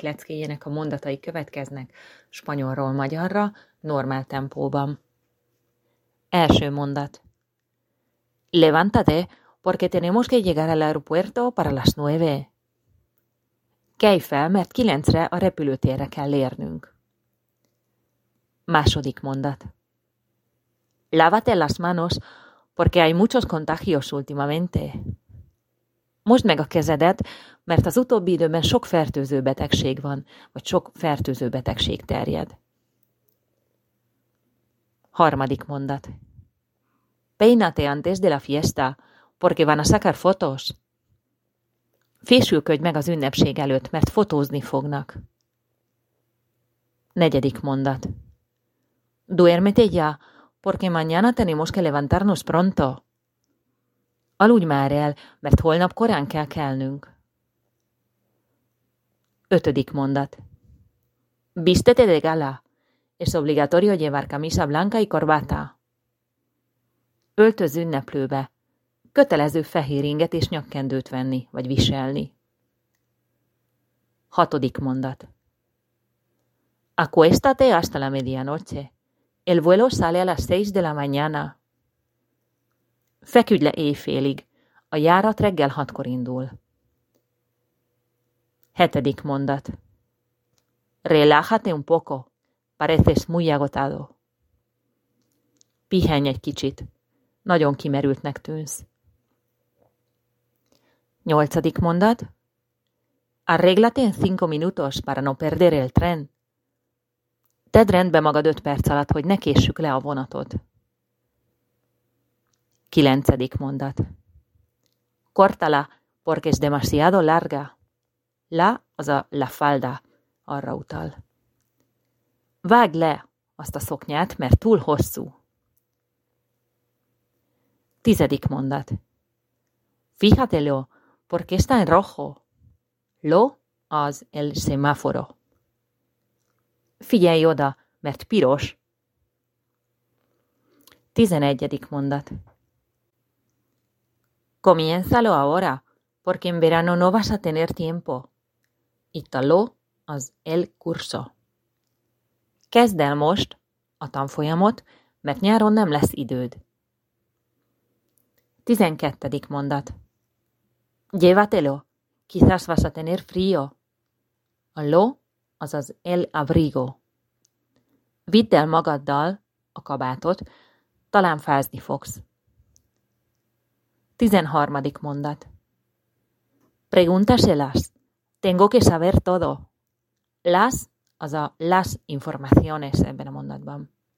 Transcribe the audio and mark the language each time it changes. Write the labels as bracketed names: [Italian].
[Hungarian] leckéjének a mondatai következnek spanyolról magyarra, normál tempóban. Első mondat. [Spanish] Levántate, porque tenemos que llegar al aeropuerto para las 9. [Hungarian] Kelj fel, mert 9-re a repülőtérre kell érnünk. Második mondat. [Spanish] Lávate las manos, porque hay muchos contagios últimamente. [Hungarian] Mosd meg a kezedet, mert az utóbbi időben sok fertőző betegség van, vagy sok fertőző betegség terjed. Harmadik mondat. [Spanish] Peínate antes de la fiesta, porque van a sacar fotos. [Hungarian] Fésülködj meg az ünnepség előtt, mert fotózni fognak. Negyedik mondat. [Spanish] Duérmete ya, porque mañana tenemos que levantarnos pronto. [Hungarian] Aludj már el, mert holnap korán kell kelnünk. Ötödik mondat. [Spanish] Vístete de gala. Es obligatorio llevar camisa blanca y corbata. [Hungarian] Öltöz ünneplőbe. Kötelező fehér inget és nyakkendőt venni, vagy viselni. Hatodik mondat. [Spanish] Acuéstate hasta la medianoche. El vuelo sale a las 6 de la mañana. [Hungarian] Feküdj le éjfélig. A járat reggel 6-kor indul. Hetedik mondat. [Spanish] Relájate un poco. Pareces muy agotado. [Hungarian] Pihenj egy kicsit. Nagyon kimerültnek tűnsz. Nyolcadik mondat. [Spanish] Arréglate en 5 minutos para no perder el tren. [Hungarian] Tedd rendbe magad 5 perc alatt, hogy ne késsük le a vonatot. Kilencedik mondat. [Spanish] Córtala, porque es demasiado larga. [Hungarian] La, az a [Spanish] la falda, [Hungarian] arra utal. Vágd le azt a szoknyát, mert túl hosszú. Tizedik mondat. [Spanish] Fíjatelo, porque está en rojo. Lo, az el semáforo. [Hungarian] Figyelj oda, mert piros. Tizenegyedik mondat. [Spanish] Comiénzalo ahora, porque en verano no vas a tener tiempo. Italo, az el curso. [Hungarian] Kezd el most a tanfolyamot, mert nyáron nem lesz időd. 12. mondat. [Spanish] Llévatelo, quizás vas a tener frío. A lo, azaz el abrigo. [Hungarian] Vidd el magaddal a kabátot, talán fázni fogsz. 13. mondat. [Spanish] Pregúntaselas. Tengo que saber todo. Las, az a las informaciones [Hungarian] ebben a mondatban.